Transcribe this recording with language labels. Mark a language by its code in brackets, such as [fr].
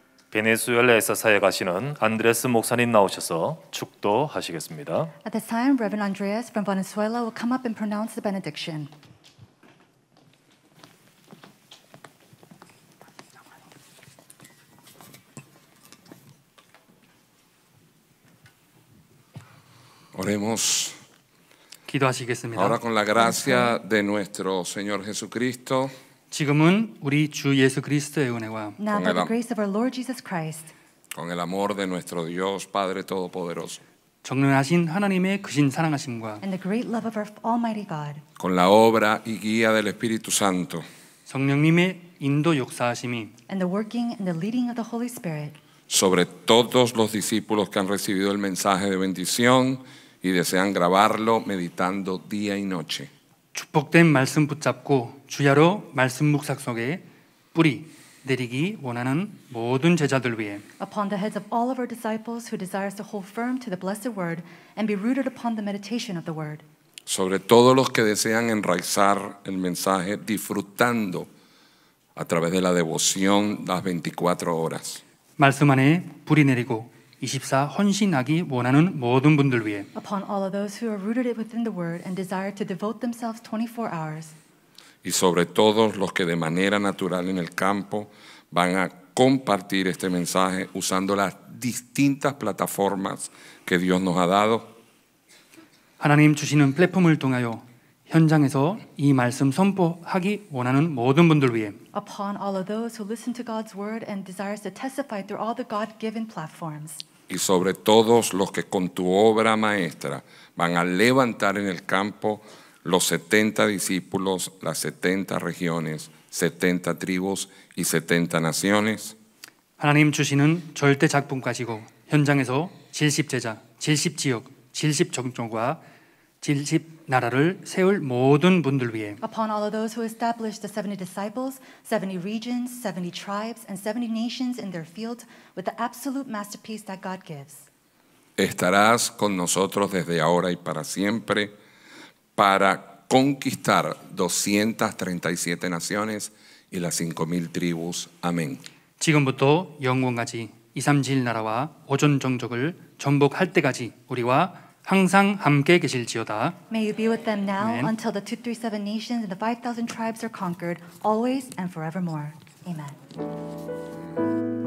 [ko] 베네수엘라에서 사역하시는 안드레스 목사님 나오셔서 축도하시겠습니다. [en] At this time, Reverend Andreas from Venezuela will come up and pronounce the benediction. [ko] 기도하시겠습니다. [es] Ahora con la gracia de nuestro Señor Jesucristo. [ko] 지금은 우리 주 예수 그리스도의 은혜와 [en] Now by the grace of our Lord Jesus Christ. [es] Con el amor de nuestro Dios Padre Todopoderoso. [ko] 전능하신 하나님의 크신 사랑하심과 [en] And the great love of our Almighty God. [es] Con la obra y guía del Espíritu Santo. [ko] 성령님의 인도 역사하심이 [en] And the working and the leading of the Holy Spirit. [es] Sobre todos los discípulos que han recibido el mensaje de bendición y desean grabarlo meditando día y noche. [ko] 축복된 말씀 붙잡고 주야로 말씀 묵상 속에 뿌리 내리기 원하는 모든 제자들 위해 [en] Upon the heads of all of our disciples who desires to hold firm to the blessed word and be rooted upon the meditation of the word. [es] Sobre todos los que desean enraizar el mensaje disfrutando a través de la devoción las 24 horas. [ko] 말씀 안에 뿌리 내리고 24 헌신하기 원하는 모든 분들 위해 [en] Upon all of those who are rooted within the word and desire to devote themselves 24 hours. [es] Y sobre todos los que de manera natural en el campo van a compartir este mensaje usando las distintas plataformas que Dios nos ha dado. [ko] 하나님 주시는 플랫폼을 통하여 현장에서 이 말씀 선포하기 원하는 모든 분들 위해 [en] Upon all of those who listen to God's word and desires to testify through all the God-given platforms. [es] Y sobre todos los que con tu obra maestra van a levantar en el campo los 70 discípulos, las 70 regiones, 70 tribus y 70 naciones. [ko] 하나님 주시는 절대 작품 가지고 현장에서 70 제자, 70 지역, 70 종족과 70 나라를 세울 모든 분들 위해 [en] Upon all of those who establish the 70 disciples, 70 regions, 70 tribes, and 70 nations in their field with the absolute masterpiece that God gives. [es] Estarás con nosotros desde ahora y para siempre para conquistar 237 naciones y las 5,000 tribus. Amén. [ko] 지금부터 영원까지 237 나라와 5천 종족을 정복할 때까지 우리와 항상 함께 계실지어다. [en] May you be with them now Amen. Until the 237 nations and the 5,000 tribes are conquered, always and forevermore. Amen.